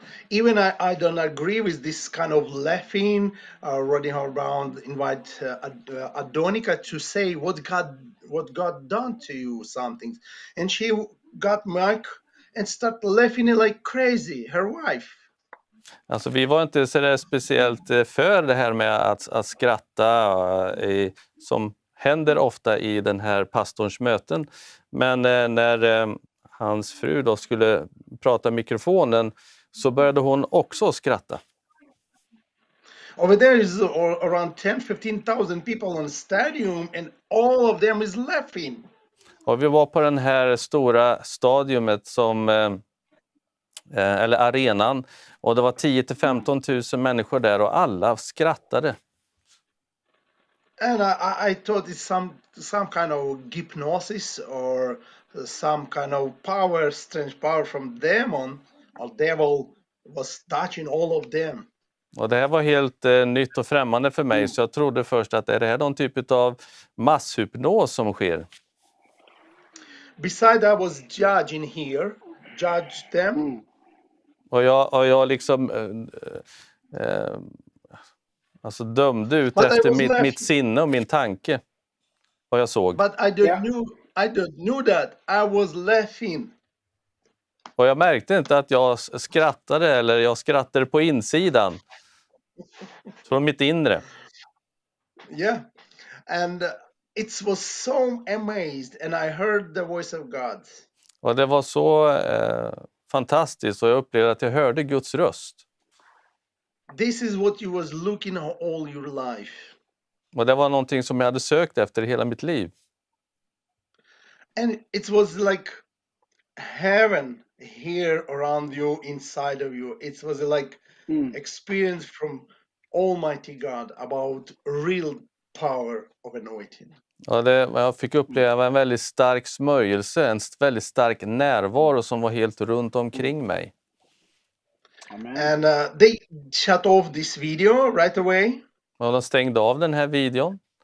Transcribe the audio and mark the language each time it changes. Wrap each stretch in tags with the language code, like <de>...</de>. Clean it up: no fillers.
<en>Even I don't agree with this kind of laughing Rodney Hart Brown invite Adonica to say what God done to you something, and she got mic and start laughing like crazy, her wife.</en> <sv>Alltså vi var inte så där speciellt för det här med att skratta som händer ofta i den här pastorns möten. Men när hans fru då skulle prata i mikrofonen så började hon också skratta.</sv> <en>Over there is around 10-15,000 people on the stadium and all of them is laughing.</en> <sv>Och vi var på den här stora stadiumet som eller arenan, och det var 10-15,000 människor där och alla skrattade.</sv> <en>And I thought it's some kind of hypnosis or some kind of power, strange power from demon or devil was touching all of them.</en> <sv>Och det här var helt nytt och främmande för mig, så jag trodde först att är det här någon typ av masshypnos som sker?</sv> <en>Besides I was judging here, judge them.</en> <sv>Och jag liksom alltså dömde ut but efter mitt sinne och min tanke vad jag såg.</sv> <en>But I didn't know that I was laughing.</en> <sv>Och jag märkte inte att jag skrattade, eller jag skrattade på insidan. Från mitt inre. Yeah.</sv> <en>And it was so amazed and I heard the voice of God.</en> <sv>Och det var så fantastiskt, och jag upplevde att jag hörde Guds röst.</sv> <en>This is what you was looking all your life.</en> <sv>Och det var någonting som jag hade sökt efter hela mitt liv.</sv> <en>And it was like heaven here around you, inside of you. It was like experience from Almighty God about real power of anointing.</en> <sv>Ja, det, jag fick uppleva en väldigt stark smörjelse, en väldigt stark närvaro som var helt runt omkring mig.</sv> <en>And they shut off this video right away.</en> <sv>Och de stängde av den här videon.</sv>